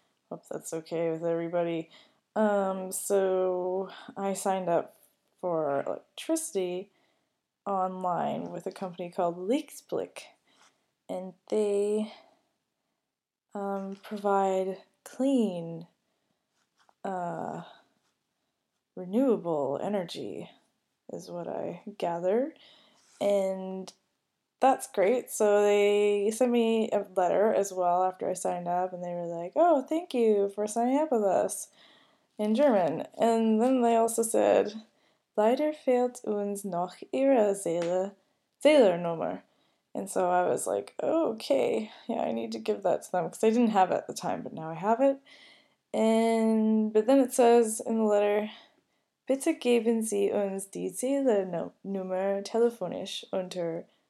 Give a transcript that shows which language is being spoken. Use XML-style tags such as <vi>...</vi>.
<en>Hope that's okay with everybody. So I signed up for electricity online with a company called LichtBlick, and they provide clean, renewable energy, is what I gather. And that's great. So they sent me a letter as well after I signed up, and they were like, "Oh, thank you for signing up with us," in German. And then they also said,</en> <de>"Leider fehlt uns noch Ihre Zählernummer."</de> <en>And so I was like, oh, "Okay, yeah, I need to give that to them because I didn't have it at the time, but now I have it." And but then it says in the letter,</en> <de>"Bitte geben Sie uns die Zählernummer telefonisch unter."</de>